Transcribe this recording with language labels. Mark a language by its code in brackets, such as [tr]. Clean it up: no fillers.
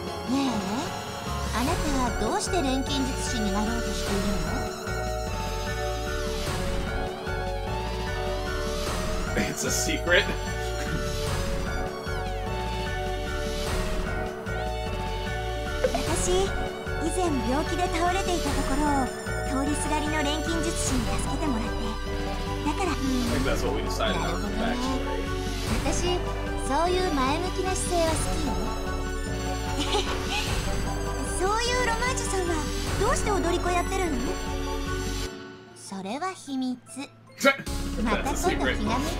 [ja] ねえ、あなたはどうして錬金術師になろうとしているの？ [en] It's a secret. [ja] 私、以前病気で倒れていたところを通りすがりの錬金術師に助けてもらって。 [en] I think that's what we decided on from the backstory. [ja] 私、そういう前向きな姿勢は好きよ。そういうロマージュさんは、どうして踊り子やってるの？それは秘密。また今度気が向いたら教えてあげるわ。